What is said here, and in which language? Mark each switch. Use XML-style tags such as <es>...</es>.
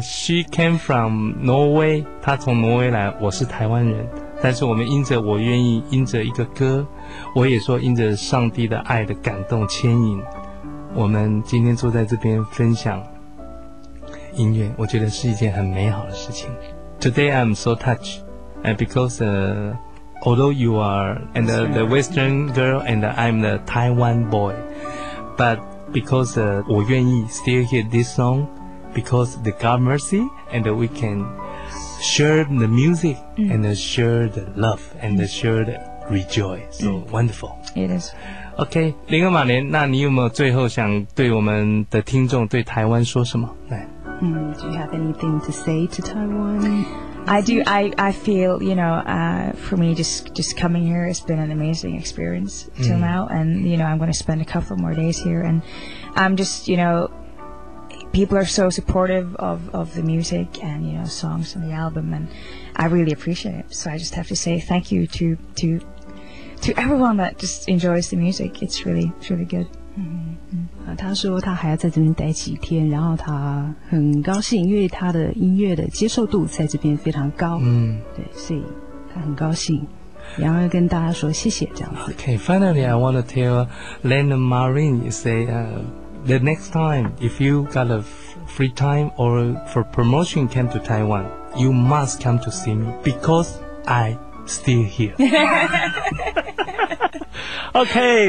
<en>She came from Norway.</en> <zh>她从挪威来，我是台湾人。但是我们因着我愿意，因着一个歌，我也说因着上帝的爱的感动牵引，我们今天坐在这边分享音乐，我觉得是一件很美好的事情。</zh> <en>Today I'm so touched, and because although you are and the Western girl and I'm the Taiwan boy. But because 我愿意 still hear this song, because the God mercy, and we can share the music、mm. and share the love and、mm. share the rejoice. So、mm. wonderful. It is.</en> <zh>OK, 林和马莲，那你有没有最后想对我们的听众对台湾说什么？来、</zh> <en>mm, Do you have anything to say to Taiwan? I do. I feel, you know,、for me, just coming here has been an amazing experience till、mm. now. And, you know, I'm going to spend a couple more days here. And I'm just, you know... People are so supportive of the music and, you know, songs on the album, and I really appreciate it. So I just have to say thank you to everyone that just enjoys the music. It's really, really good.</en> <zh>他说他还要在这边待几天，然后他很高兴，因为他的音乐的接受度在这边非常高。嗯，对，所以他很高兴，然后跟大家说谢谢这样子。</zh> <en>Okay, finally, I want to tell Lena Marin, you say, The next time, if you got a free time or for promotion came to Taiwan, you must come to see me because I still here. okay.</en>